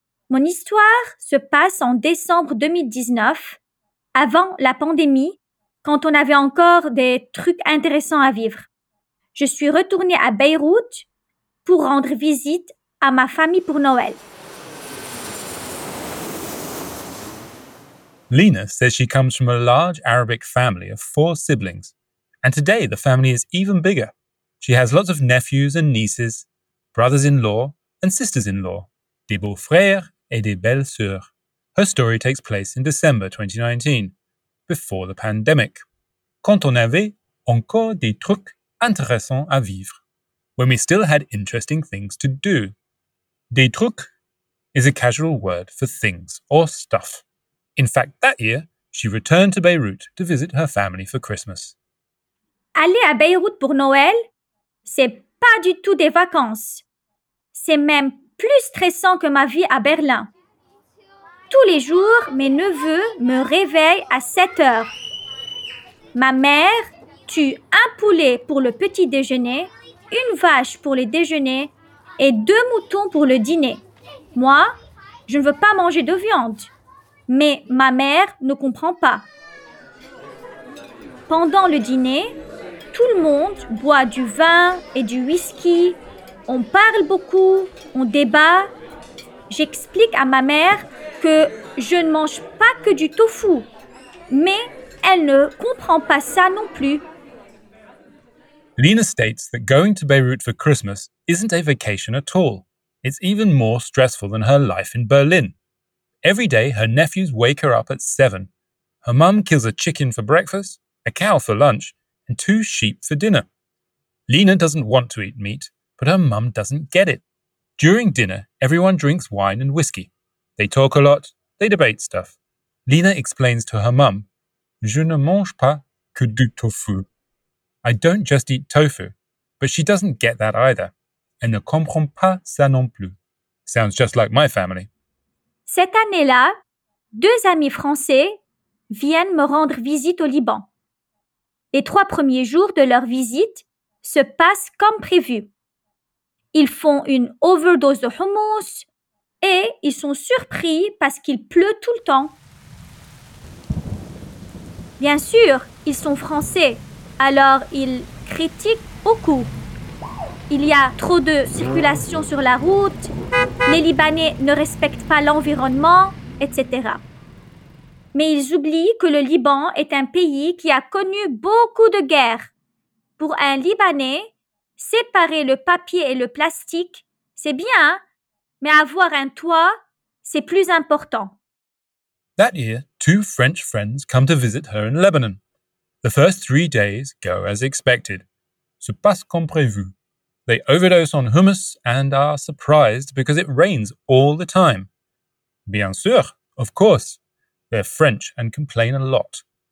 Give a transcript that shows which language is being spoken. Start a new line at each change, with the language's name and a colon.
French: Mon histoire se passe en décembre 2019. Avant la pandémie, quand on avait encore des trucs intéressants à vivre. Je suis retournée à Beyrouth pour rendre visite à ma famille pour Noël.
English: Lina says she comes from a large Arabic family of 4 siblings. And today the family is even bigger. She has lots of nephews and nieces, brothers-in-law and sisters-in-law,
French: des beaux-frères et des belles-sœurs.
English: Her story takes place in December 2019, before the pandemic.
French: Quand on avait encore des trucs intéressants à vivre.
English: When we still had interesting things to do.
French: Des trucs
English: is a casual word for things or stuff. In fact, that year, she returned to Beirut to visit her family for Christmas.
French: Aller à Beirut pour Noël, c'est pas du tout des vacances. C'est même plus stressant que ma vie à Berlin. Tous les jours, mes neveux me réveillent à 7 heures. Ma mère tue un poulet pour le petit déjeuner, une vache pour le déjeuner et 2 moutons pour le dîner. Moi, je ne veux pas manger de viande. Mais ma mère ne comprend pas. Pendant le dîner, tout le monde boit du vin et du whisky. On parle beaucoup, on débat. J'explique à ma mère que je ne mange pas que du tofu, mais elle ne comprend pas ça non plus.
English: Lina states that going to Beirut for Christmas isn't a vacation at all. It's even more stressful than her life in Berlin. Every day, her nephews wake her up at 7. Her mum kills a chicken for breakfast, a cow for lunch, and 2 sheep for dinner. Lina doesn't want to eat meat, but her mum doesn't get it. During dinner, everyone drinks wine and whiskey. They talk a lot, they debate stuff. Lina explains to her mum,
French: Je ne mange pas que du tofu.
English: I don't just eat tofu, but she doesn't get that either.
French: Elle ne comprend pas ça non plus.
English: Sounds just like my family.
French: Cette année-là, 2 amis français viennent me rendre visite au Liban. Les 3 premiers jours de leur visite se passent comme prévu. Ils font une overdose de hummus et ils sont surpris parce qu'il pleut tout le temps. Bien sûr, ils sont français, Alors, il critique beaucoup. Il y a trop de circulation sur la route, les Libanais ne respectent pas l'environnement, etc. Mais ils oublient que le Liban est un pays qui a connu beaucoup de guerres. Pour un Libanais, séparer le papier et le plastique, c'est bien, mais avoir un toit, c'est plus important.
English: That year, two French friends come to visit her in Lebanon. The first 3 days go as expected.
French: Se passe comme prévu.
English: They overdose on hummus and are surprised because it rains all the time.
French: Bien sûr,
English: of course. They're French and complain a lot.